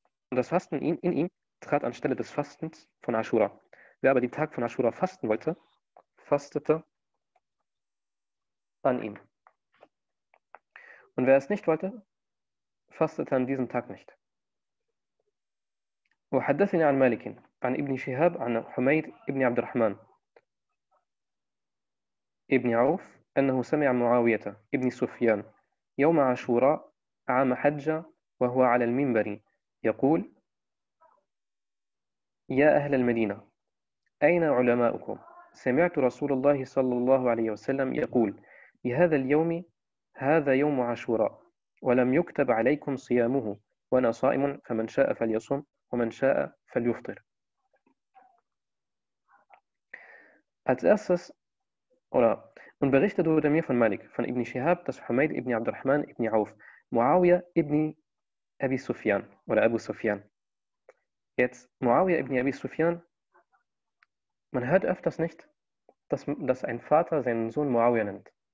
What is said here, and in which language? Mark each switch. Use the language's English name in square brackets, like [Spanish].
[German] Und das Fasten in ihm trat anstelle des Fastens von Ashura. Wer aber den Tag von Ashura fasten wollte, fastete an ihm. Und wer es nicht wollte, fastete an diesem Tag nicht. [Arabic] وحدثني عن مالك عن ابن شهاب عن حميد ابن عبد الرحمن ابن عوف أنه سمع معاوية ابن سفيان يوم عاشوراء عام حجة وهو على المنبر يقول يا أهل المدينة أين علماؤكم؟ سمعت رسول الله صلى الله عليه وسلم يقول بهذا اليوم هذا يوم عاشوراء ولم يكتب عليكم صيامه وأنا صائم فمن شاء فليصم ومن شاء فليفطر. [German] Als erstes, oder, und berichtet wurde mir von Malik, von Ibn Shihab, dass Humayd ibn Abdurrahman ibn Auf, Muawiyah ibn Abi Sufyan, oder Abu Sufyan. Jetzt, Muawiyah ibn Abi Sufyan, man hört öfters nicht, dass ein Vater seinen Sohn Muawiyah nennt.